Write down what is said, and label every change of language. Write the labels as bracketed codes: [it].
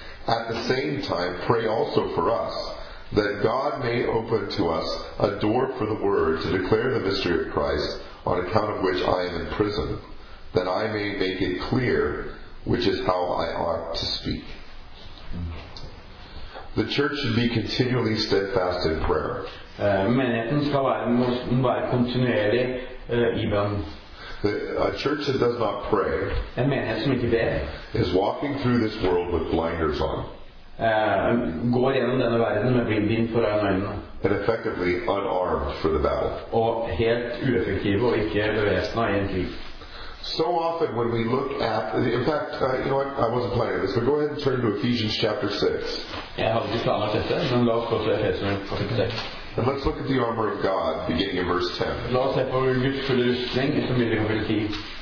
[en] At the same time, pray also for us, that God may open to us a door for the word to declare the mystery of Christ, on account of which I am in prison, that I may make it clear which is how I ought to speak. The church should be continually steadfast in prayer. [no] Menigheten skal være kontinuerlig I bønn. [en] A church that does not pray is walking through this world with blinders on. [no] Går gjennom denne verden med bindbind for øynene. [en] And effectively unarmed for the battle. [no] Og helt ueffektiv og ikke bevæpnet I en krig. [en] So often when we look at, in fact, you know what, I wasn't planning this, but go ahead and turn to Ephesians chapter 6. [no] Jeg hadde ikke planlagt dette, men la oss gå til Ephesians kapittel 6. [en] And let's look at the armor of God, beginning in verse 10. [no] La oss se på Guds fulle rustning, som begynner I kapittel 10.